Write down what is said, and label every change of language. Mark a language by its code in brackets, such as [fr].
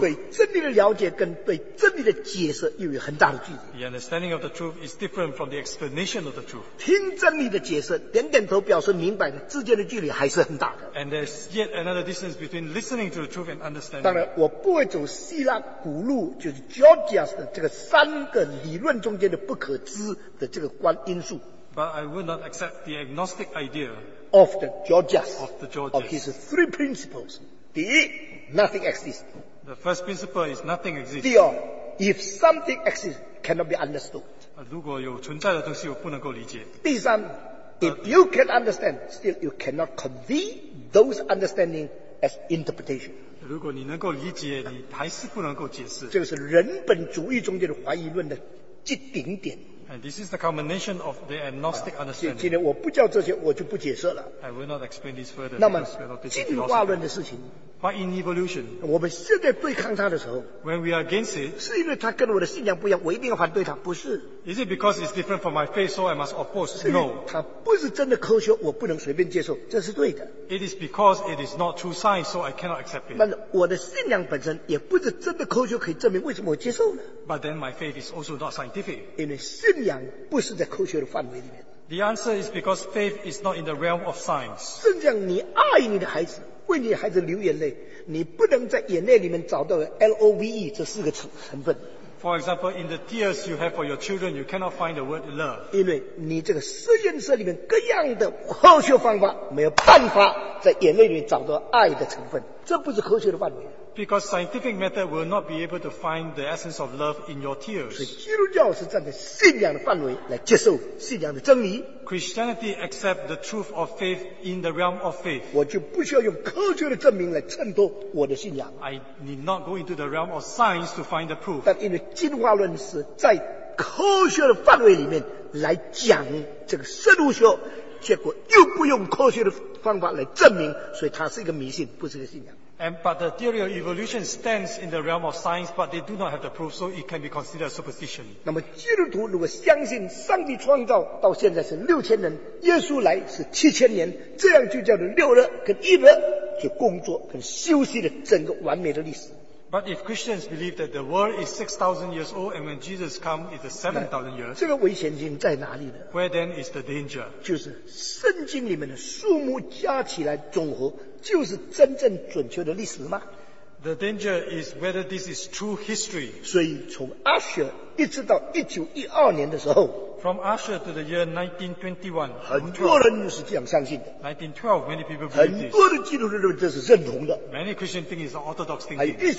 [zh] 对真理的了解跟对真理的解释又有很大的距离。 [en] The understanding of the truth is different from the explanation of the truth. [zh] 听真理的解释，点点头表示明白，之间的距离还是很大的。 [en] And there's yet another distance between listening to the truth and understanding. [zh] 当然，我不会走希腊古路，就是 Gorgias 的这个三个理论中间的不可知的这个关因素。 [en] But I will not accept the agnostic idea. Of the Gorgias, of his three principles. [zh] 第一, [en] nothing exists. The first principle is nothing exists. [zh] 第二, [en] if something exists, cannot be understood. [zh] 如果有存在的东西，我不能够理解。第三, [en] if you can understand, still you cannot convey those understanding as interpretation. [zh] 如果你能够理解，你还是不能够解释。这个是人本主义中间的怀疑论的极顶点。 [en] And this is the culmination of the agnostic understanding. [zh] 今天我不教这些，我就不解释了。 [en] I will not explain this further. [zh] 那么进化论的事情 [en] ，But in evolution, [zh] 我们现在对抗它的时候 [en] ，When we are against it, [zh] 是因为它跟我的信仰不一样，我一定要反对它，不是 [en] ？Is it because it's different from my faith, so I must oppose? No. [zh] 它不是真的科学，我不能随便接受，这是对的。 [en] It is because it is not true science, so I cannot accept it. [zh] 那我的信仰本身也不是真的科学可以证明，为什么我接受呢？ [en] But then my faith is also not scientific. [zh] 因为信仰不是在科学的范围里面。 [en] The answer is because faith is not in the realm of science. [zh] 甚至你爱你的孩子，为你的孩子流眼泪，你不能在眼泪里面找到 love 这四个成分。 [en] For example, in the tears you have for your children, you cannot find the word love. [zh] 因为你这个实验室里面各样的科学方法，没有办法在眼泪里面找到爱的成分，这不是科学的范围。 [en] Because scientific method will not be able to find the essence of love in your tears. [zh] 所以基督教是站在信仰的范围来接受信仰的真理。 [en] Christianity accepts the truth of faith in the realm of faith. [zh] 我就不需要用科学的证明来衬托我的信仰。 [en] I need not go into the realm of science to find the proof. [zh] 但因为进化论是在科学的范围里面来讲这个生物学，结果又不用科学的方法来证明，所以它是一个迷信，不是一个信仰。 [en] But the theory of evolution stands in the realm of science, but they do not have the proof, so it can be considered superstition. [zh] 那么基督徒如果相信上帝创造到现在是六千年，耶稣来是七千年，这样就叫做六日跟一日，就工作跟休息了整个完美的历史。 [en] But if Christians believe that the world is 6,000 years old and when Jesus comes it's 7,000 years, [zh] 这个危险性在哪里呢? [en] Where then is the danger? [zh] 就是圣经里面的数目加起来总和, 就是真正准确的历史吗? [en] The danger is whether this is true history. [zh] 所以从Usher一直到1912年的时候, [en] from Usher to the year 1921, [zh] 很多人是这样相信的, [en] 1912, many people believe this. [zh] 很多的基督徒认为这是认同的, [en] many Christians think it's an orthodox thinking.